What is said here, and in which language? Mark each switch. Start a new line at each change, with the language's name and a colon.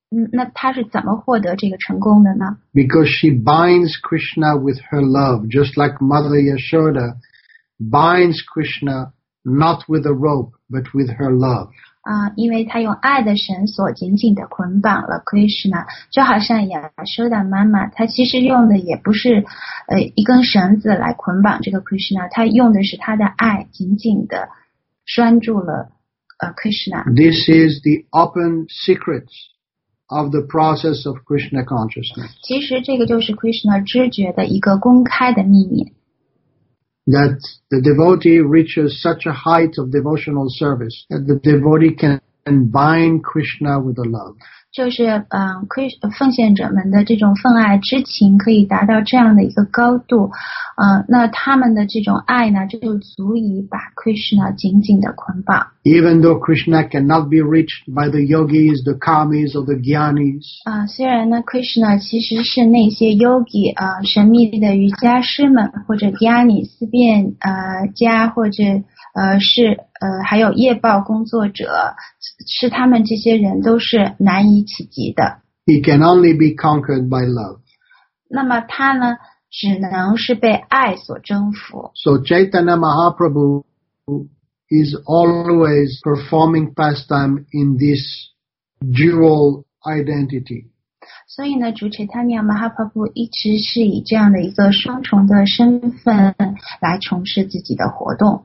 Chinese: 那他是怎么获得这个成功的呢?
English: Because she binds Krishna with her love, just like Mother Yashoda binds Krishna not with a rope, but with her love.
Chinese: 因为他用爱的绳索紧紧地捆绑了 Krishna, 就好像 Yashoda 妈妈她其实用的也不是一根绳子来捆绑这个 Krishna, 她用的是她的爱紧紧地拴住了Krishna.
English: This is the open secrets. Of the process of Krishna consciousness.
Chinese: 其实这个就是 Krishna 知觉的一个公开的秘密。
English: That the devotee reaches such a height of devotional service that the devotee can bind Krishna with the love.
Chinese: 就是奉献者们的这种奉爱之情可以达到这样的一个高度，那他们的这种爱呢，就足以把 Krishna 紧紧的捆绑。
English: Even though Krishna cannot be reached by the yogis, the kamis, or the gyanis.
Chinese: 虽然呢 ，Krishna 其实是那些 yogi 神秘的瑜伽师们或者 gyani 思辨家或者是还有夜报工作者，是他们这些人都是难以企及的。
English: He can only be conquered by love.
Chinese: 那么他呢，只能是被爱所征服。
English: So Chaitanya Mahaprabhu. Is always performing pastime in this dual identity.
Chinese: 所以呢，主 Chaitanya Mahaprabhu 一直是以这样的一个双重的身份来从事自己的活动。